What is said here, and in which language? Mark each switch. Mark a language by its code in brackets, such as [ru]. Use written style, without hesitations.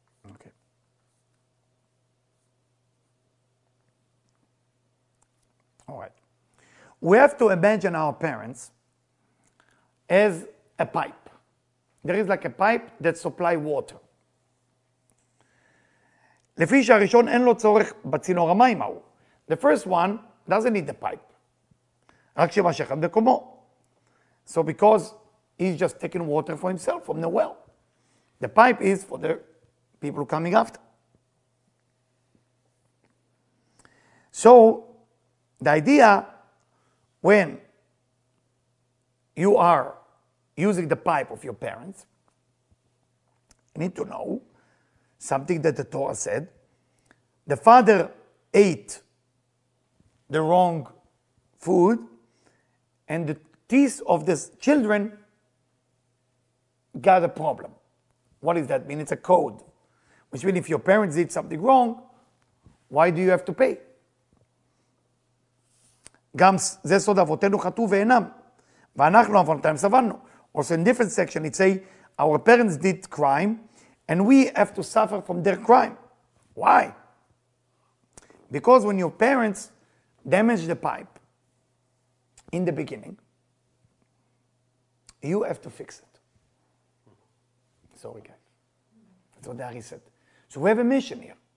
[en] Okay. All right. We have to imagine our parents as a pipe. There is like a pipe that supply water. [he] לפי שהראשון אין לו צורך בצינור המים ההוא. [en] The first one doesn't need the pipe. [he] רק שמשך המקומו. [en] So because he's just taking water for himself from the well. The pipe is for the people coming after. So the idea when you are using the pipe of your parents You need to know something that the Torah said. The father ate the wrong food, and the teeth of the children got a problem. What does that mean? It's a code. Which means if your parents did something wrong, why do you have to pay? [he] גם זה סוד אבותינו חטאו ואינם. ואנחנו אבותינו סבלנו. [en] Also in different section, it says, our parents did crime, and we have to suffer from their crime. Why? Because when your parents damaged the pipe in the beginning, you have to fix it. Sorry, guys. That's what Ari said. So we have a mission here.